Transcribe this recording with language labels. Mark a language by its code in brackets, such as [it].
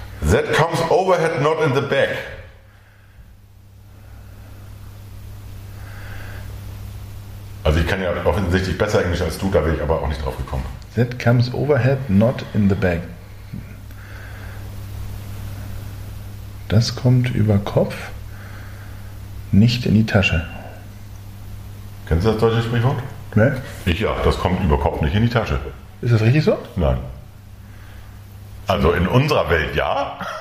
[en] That comes overhead, not in the back. [de] Also ich kann ja offensichtlich besser Englisch als du, da bin ich aber auch nicht drauf gekommen. [en] That comes overhead, not in the back. [de] Das kommt über Kopf, nicht in die Tasche. Kennst du das deutsche Sprichwort? Nee. Ich ja, das kommt über Kopf, nicht in die Tasche. Ist das richtig so? Nein. Also in unserer Welt ja.